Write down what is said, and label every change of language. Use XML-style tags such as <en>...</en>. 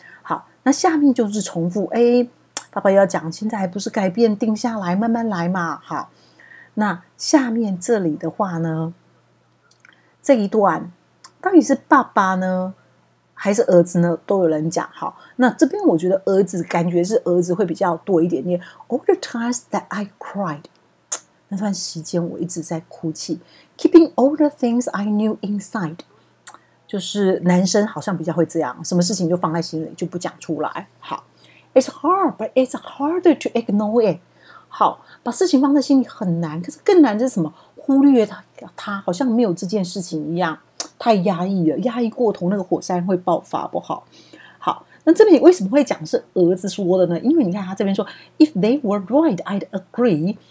<zh>好，那下面就是重复。哎，爸爸要讲，现在还不是改变，定下来，慢慢来嘛。好。那下面这里的话呢，这一段到底是爸爸呢还是儿子呢，都有人讲。好，那这边我觉得儿子感觉是儿子会比较多一点点。</zh> <en>All the times that I cried，</en> <zh>那段时间我一直在哭泣。</zh> <en>Keeping all the things I knew inside，</en> <zh>就是男生好像比较会这样，什么事情就放在心里就不讲出来。</zh> <en>好， It's hard but it's harder to ignore it。</en> <zh>好，把事情放在心里很难，可是更难是什么？忽略他好像没有这件事情一样，太压抑了，压抑过头那个火山会爆发，不好。好，那这边为什么会讲是儿子说的呢？因为你看他这边说</zh> <en>If they were right, I'd agree。</en>